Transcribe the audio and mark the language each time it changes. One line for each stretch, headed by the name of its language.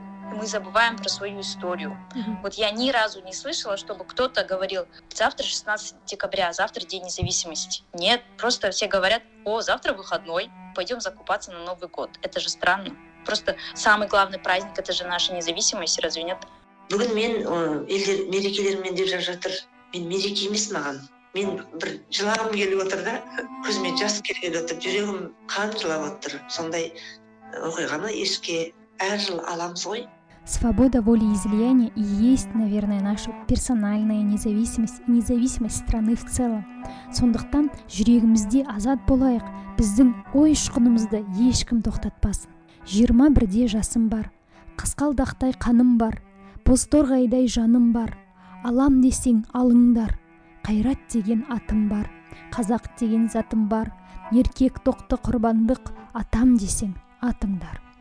Russian: Мы забываем про свою историю. Вот я ни разу не слышала, чтобы кто-то говорил: завтра 16 декабря, завтра День независимости. Нет, просто все говорят: о, завтра выходной, пойдем закупаться на Новый год. Это же странно. Просто самый главный праздник — это же наша независимость, разве нет?
Kazakh: Бүгін мен елдер мерекелерімен деп жатыр. Мен мереке емес маған. Мен бір жылағым келіп отыр да, көзіме жас келіп отыр, жүрегім қан жылап отыр. Сондай оқиғаны еске әр жыл аламыз ғой.
Russian: Свобода волеизлияния и есть, наверное, наша персональная независимость и независимость страны в целом.
Kazakh: Сондықтан жүрегімізде азат болайық, біздің ой ұшқынымызды ешкім тоқтатпасын. 21-де жасым бар, қасқалдақтай қаным бар, бозторғайдай жаным бар, алам десең алыңдар, қайрат деген атым бар, қазақ деген затым бар, еркек тоқты құрбандық, атам десең атыңдар.